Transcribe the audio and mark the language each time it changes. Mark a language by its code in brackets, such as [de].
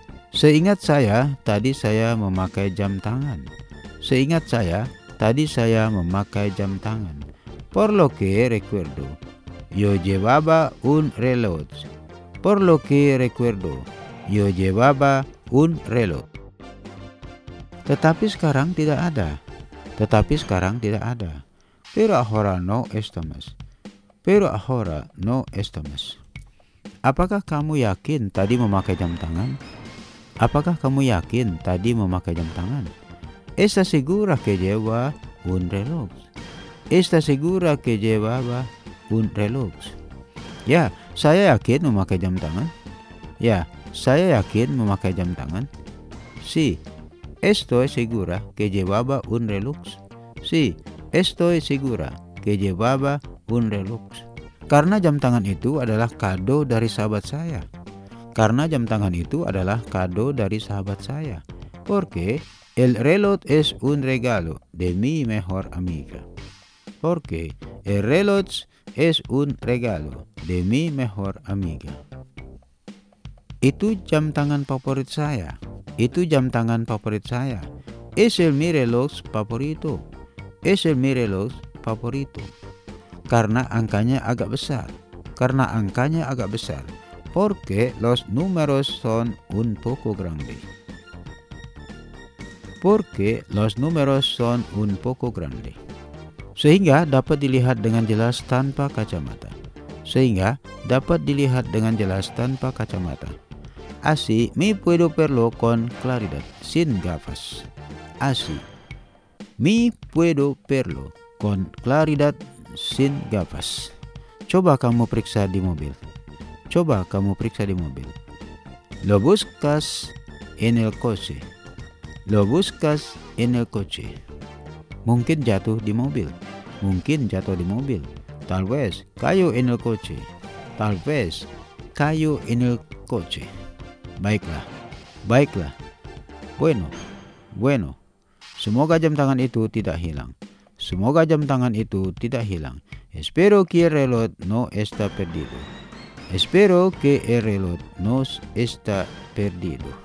[id] Seingat saya, tadi saya memakai jam tangan. Seingat saya, tadi saya memakai jam tangan. [es] Por lo que recuerdo, yo llevaba un reloj. Por lo que recuerdo, yo llevaba un reloj. [id] Tetapi sekarang tidak ada. Tetapi sekarang tidak ada. [es] Pero ahora no está más. Pero ahora no está más. [id] Apakah kamu yakin tadi memakai jam tangan? Apakah kamu yakin tadi memakai jam tangan? [es] Esta segura que lleva un reloj. Esta segura que llevaba un reloj. [id] Ya, saya yakin memakai jam tangan. Ya, saya yakin memakai jam tangan. [es] Si, estoy segura que llevaba un reloj. Si, estoy segura que llevaba un reloj. [id] Karena jam tangan itu adalah kado dari sahabat saya. Karena jam tangan itu adalah kado dari sahabat saya. [es] Porque el reloj es un regalo de mi mejor amiga. Porque el reloj es un regalo de mi mejor amiga. [id] Itu jam tangan favorit saya. Itu jam tangan favorit saya. [es] Es el mi reloj favorito. Es el mi reloj favorito. [id] Karena angkanya agak besar. Karena angkanya agak besar. [es] Porque los números son un poco grande. Porque los números son un poco grande. [id] Sehingga dapat dilihat dengan jelas tanpa kacamata. Sehingga dapat dilihat dengan jelas tanpa kacamata. [es] Así me puedo verlo con claridad sin gafas. Así me puedo verlo con claridad sin gafas. [id] Coba kamu periksa di mobil. Coba kamu periksa di mobil. [es] Lo buscas en el coche. Lo buscas en el coche. [id] Mungkin jatuh di mobil. Mungkin jatuh di mobil. [es] Tal vez cayó en el coche. Tal vez cayó en el coche. [id] Baiklah. Baiklah. [es] Bueno. Bueno. [id] Semoga jam tangan itu tidak hilang. Semoga jam tangan itu tidak hilang. [es] Espero que el reloj no está perdido. Espero que el reloj no está perdido.